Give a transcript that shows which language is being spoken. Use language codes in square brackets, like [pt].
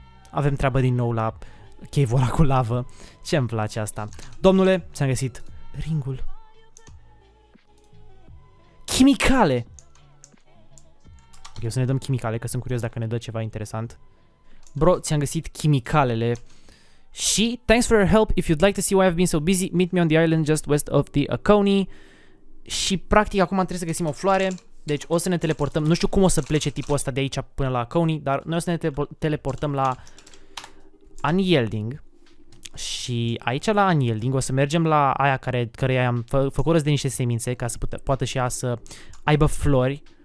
[ro] Avem treabă din nou la cave-ul ăla cu lavă, ce îmi place asta. Domnule, ți-am găsit ringul. Chimicale! Ok, o să ne dăm chimicale, că sunt curios dacă ne dă ceva interesant. Bro, ți-am găsit chimicalele. [en] Și, thanks for your help, if you'd like to see why I've been so busy, meet me on the island just west of the Oconee. [ro] Și, practic, acum trebuie să găsim o floare. Deci, o să ne teleportăm. Nu știu cum o să plece tipul ăsta de aici până la Oconee, dar noi o să ne teleportăm la Unyielding. Și aici la Unyielding o să mergem la aia care, căreia i-am făcut răs de niște semințe ca să poată și ea să aibă flori.